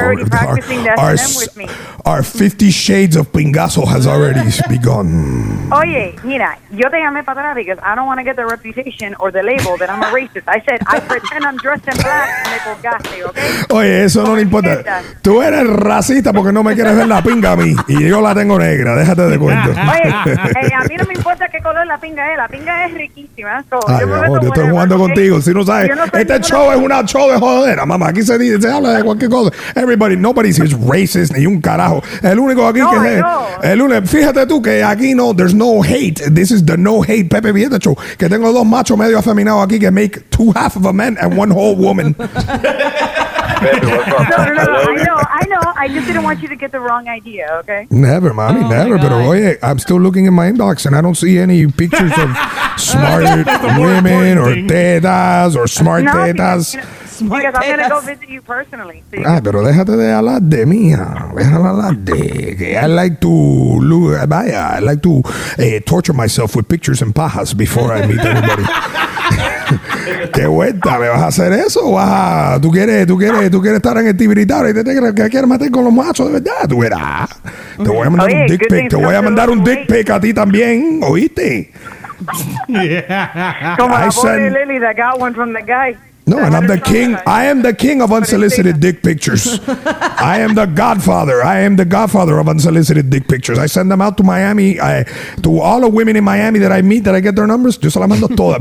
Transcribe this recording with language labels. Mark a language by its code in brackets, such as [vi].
[en] already practicing our, S&M our, with me. Our 50 shades of pingazo has already begun. [es] Oye, mira, yo te llamé para atrás [en] because I don't want to get the reputation or the label that I'm a racist. I said, I pretend I'm dressed in black and [es] me colgaste, [en] okay? [es] Oye, eso no le importa. Tú eres racista porque no me quieres ver la pinga a mí. Y yo la tengo negra, déjate de cuento. Oye, a mí no me importa qué color la pinga es. La pinga es riquísima. Yo estoy jugando contigo. Si no sabes, este show es una show de jodera, mamá. Aquí se dice, se habla de cualquier cosa. [en] Everybody, nobody is racist, [es] ni un carajo. El único aquí que es. El único, fíjate tú que aquí no, [en] there's no hate. This is the no hate Pepe Vieta show. [es] Que tengo dos machos medio afeminados aquí que [en] make two half of a man and one whole woman. No, I know. I just didn't want you to get the wrong idea, okay? Never, mommy, never. But oye, I'm still looking in my inbox and I don't see any pictures of smart women or tetas or smart tetas. Because I'm going to go visit you personally. So you [es] pero déjate de hablar de mí, déjala hablar de que [en] I like to, vaya, I like to torture myself with pictures and pajas before I meet anybody. [es] ¿Qué vuelta? ¿Me vas a hacer eso? ¿Tú quieres estar en el tibiritar y te quieres matar con los machos? ¿De verdad? ¿Tú verás? Te voy a mandar un dick pic. Te voy a mandar un dick pic a ti también. ¿Oíste? [en] Como la pobre Lily that got one from the guy. No, and I'm the king. I am the king of unsolicited dick pictures. I am the godfather. I am the godfather of unsolicited dick pictures. I send them out to Miami. To all the women in Miami that I meet, that I get their numbers, [es] yo se la mando toda.